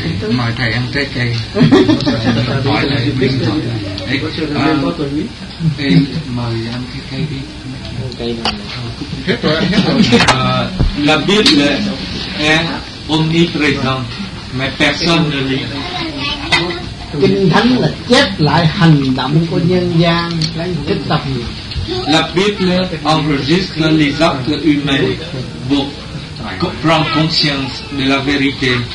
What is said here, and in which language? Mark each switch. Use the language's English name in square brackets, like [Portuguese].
[Vietnamese] Mời thầy ăn trái cây. Hỏi thầy mình thôi. Đấy, em mời ăn trái cây đi. Cây hết rồi, hết rồi. [French] La Bible est omniprésent, mais personne ne lit. [Vietnamese] Kinh Thánh là chép lại hành động của nhân gian, lấy cái tập. [French] La Bible enregistre les actes humains, pour prendre conscience de la vérité.